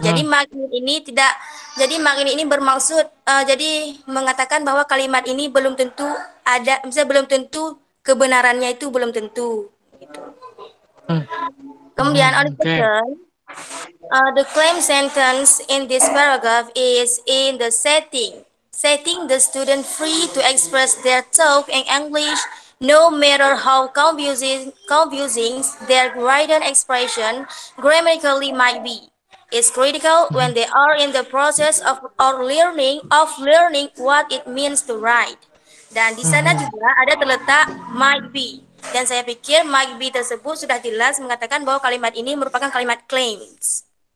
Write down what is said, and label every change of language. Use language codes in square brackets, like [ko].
[id] Jadi might need ini bermaksud mengatakan bahwa kalimat ini belum tentu ada, misalnya belum tentu kebenarannya itu belum tentu. Gitu. Kemudian [en] on the question. The claim sentence in this paragraph is in the setting. Setting the student free to express their talk in English, no matter how confusing their written expression grammatically might be, is critical when they are in the process of learning what it means to write. [id] Dan di sana juga ada terletak might be. Dan saya pikir might be tersebut sudah jelas mengatakan bahwa kalimat ini merupakan kalimat claims.